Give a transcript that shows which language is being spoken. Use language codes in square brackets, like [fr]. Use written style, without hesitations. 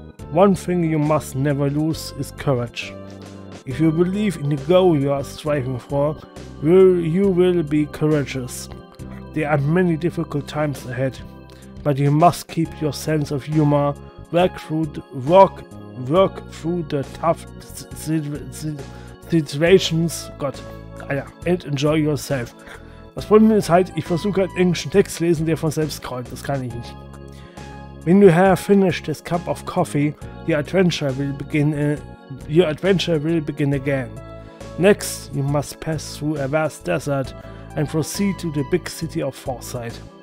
[en] One thing you must never lose is courage. If you believe in the goal you are striving for, you will be courageous. There are many difficult times ahead, but you must keep your sense of humor, work through the tough situations, and enjoy yourself. [de] Das Problem ist halt, ich versuche halt englischen Text zu lesen, der von selbst scrollt. Das kann ich nicht. [en] When you have finished this cup of coffee, your adventure will begin again. Next, you must pass through a vast desert and proceed to the big city of Foresight.